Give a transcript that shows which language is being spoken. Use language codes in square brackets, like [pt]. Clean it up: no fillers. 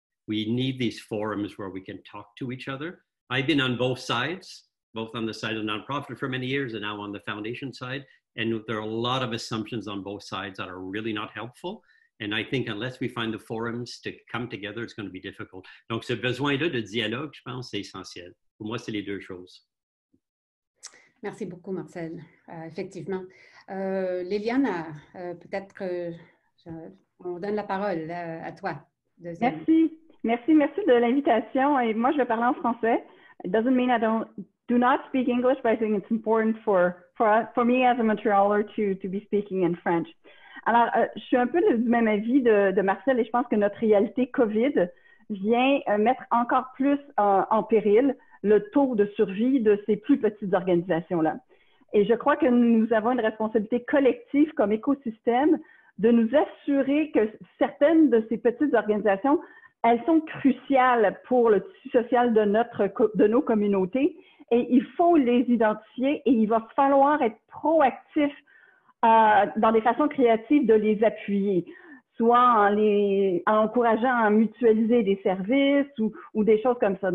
[en] We need these forums where we can talk to each other. I've been on both sides, both on the side of the nonprofit for many years and now on the foundation side. And there are a lot of assumptions on both sides that are really not helpful. And I think unless we find the forums to come together, it's going to be difficult. [fr] Donc, ce besoin-là de dialogue, je pense, c'est essentiel. Pour moi, c'est les deux choses. Merci beaucoup, Marcel. Effectivement. Liliana, peut-être on donne la parole à toi. Deuxième. Merci. Merci de l'invitation. Et moi, je vais parler en français. [en] It doesn't mean I do not speak English, but I think it's important for me as a Montrealer to be speaking in French. [fr] Alors, je suis un peu du même avis de Marcel et je pense que notre réalité COVID vient mettre encore plus en péril le taux de survie de ces plus petites organisations-là. Et je crois que nous avons une responsabilité collective comme écosystème de nous assurer que certaines de ces petites organisations, elles sont cruciales pour le tissu social de nos communautés et il faut les identifier et il va falloir être proactif dans des façons créatives de les appuyer, soit en encourageant à mutualiser des services ou des choses comme ça.